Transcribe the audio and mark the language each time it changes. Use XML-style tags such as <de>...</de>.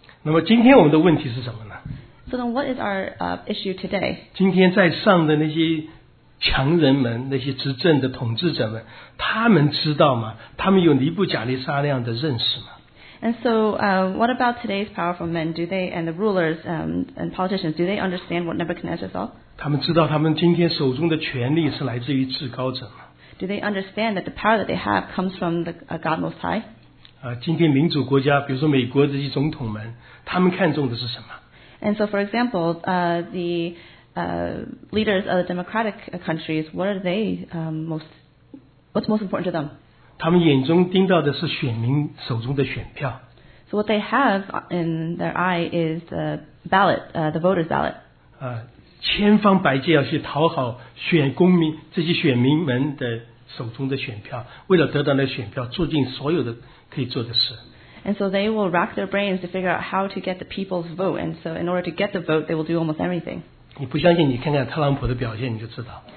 <zh>那么今天我们的问题是什么呢?</zh> <en>So then what is our issue today?</en> <zh>今天在上的那些强人们, 那些执政的统治者们, 他们知道吗? 他们有尼布甲利撒那样的认识吗?</zh> <en>And so what about today's powerful men? Do they, and the rulers and politicians, do they understand what Nebuchadnezzar saw?</en> <zh>他们知道他们今天手中的权力是来自于至高者吗?</zh> <en>Do they understand that the power that they have comes from the God Most High?</en> <zh>今天民主国家, 比如说美国这些总统们, 他们看重的是什么?</zh> <en>And so, for example, the leaders of the democratic countries, what are they most? What's most important to them?</en> <zh>他们眼中盯到的是选民手中的选票。</zh> <en>So what they have in their eye is the ballot, the voters' ballot.</en> <zh>千方百计要去讨好选公民这些选民们的手中的选票，为了得到那选票，做尽所有的可以做的事。</zh> <en>And so they will rack their brains to figure out how to get the people's vote. And so in order to get the vote, they will do almost everything.</en> <zh>你不相信你看看特朗普的表现你就知道。</zh>